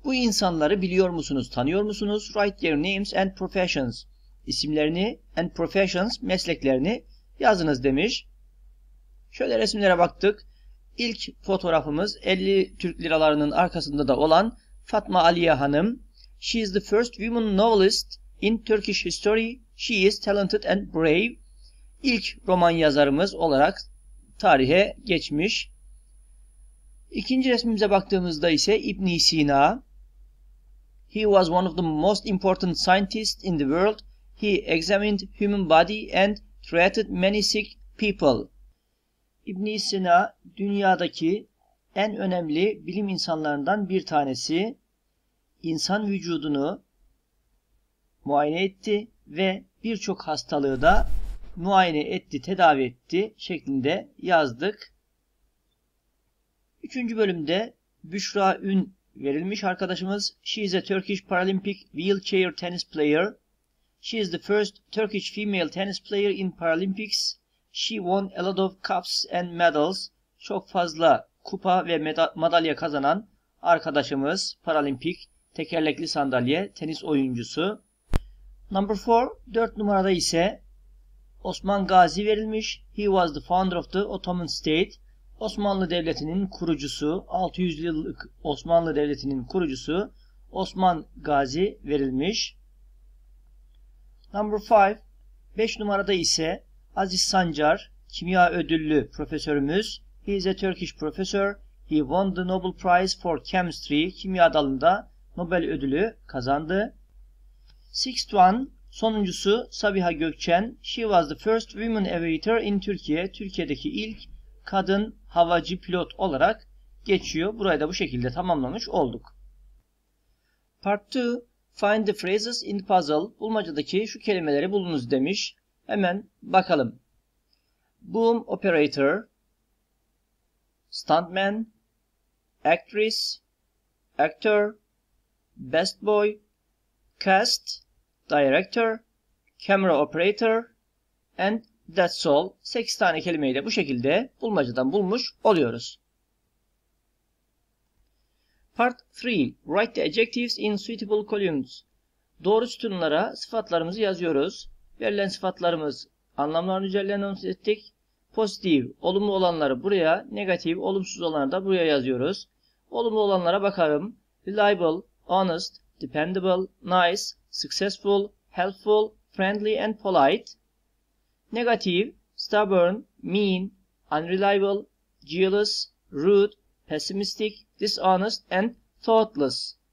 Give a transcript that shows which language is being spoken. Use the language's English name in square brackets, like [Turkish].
[Turkish] Bu insanları biliyor musunuz, tanıyor musunuz? [English] Write their names and professions. [Turkish] İsimlerini [English] and professions, [Turkish] mesleklerini yazınız demiş. Şöyle resimlere baktık. İlk fotoğrafımız 50 Türk liralarının arkasında da olan Fatma Aliye Hanım. [English] She is the first woman novelist in Turkish history. She is talented and brave. [Turkish] İlk roman yazarımız olarak tarihe geçmiş. İkinci resmimize baktığımızda ise İbn Sina. [English] He was one of the most important scientists in the world. He examined human body and treated many sick people. [Turkish] İbn Sina dünyadaki en önemli bilim insanlarından bir tanesi. İnsan vücudunu muayene etti ve birçok hastalığı da muayene etti, tedavi etti şeklinde yazdık. Üçüncü bölümde Büşra Ün verilmiş arkadaşımız. [English] She is a Turkish Paralympic wheelchair tennis player. She is the first Turkish female tennis player in Paralympics. She won a lot of cups and medals. [Turkish] Çok fazla kupa ve madalya kazanan arkadaşımız, Paralympic tekerlekli sandalye tenis oyuncusu. [English] Number 4, [Turkish] 4 numarada ise Osman Gazi verilmiş. [English] He was the founder of the Ottoman State. [Turkish] Osmanlı Devleti'nin kurucusu, 600 yıllık Osmanlı Devleti'nin kurucusu Osman Gazi verilmiş. [English] Number 5, [Turkish] 5 numarada ise Aziz Sancar, kimya ödüllü profesörümüz. [English] He is a Turkish professor. He won the Nobel Prize for Chemistry. [Turkish] Kimya dalında Nobel ödülü kazandı. [English] Sixth one, [Turkish] sonuncusu Sabiha Gökçen. [English] She was the first woman aviator in Turkey. [Turkish] Türkiye'deki ilk kadın havacı pilot olarak geçiyor. Burayı da bu şekilde tamamlamış olduk. [English] Part 2. Find the phrases in the puzzle. [Turkish] Bulmacadaki şu kelimeleri bulunuz demiş. Hemen bakalım. [English] Boom operator, stuntman, actress, actor, best boy, cast, director, camera operator and that's all. [Turkish] 8 tane kelimeyi de bu şekilde bulmacadan bulmuş oluyoruz. [English] Part 3. Write the adjectives in suitable columns. [Turkish] Doğru sütunlara sıfatlarımızı yazıyoruz. Verilen sıfatlarımız, anlamların üzerinden onu ettik. Pozitif, olumlu olanları buraya, negatif, olumsuz olanları da buraya yazıyoruz. Olumlu olanlara bakalım. [English] Reliable, honest, dependable, nice, successful, helpful, friendly and polite. Negatif, stubborn, mean, unreliable, jealous, rude, pessimistic, dishonest and thoughtless.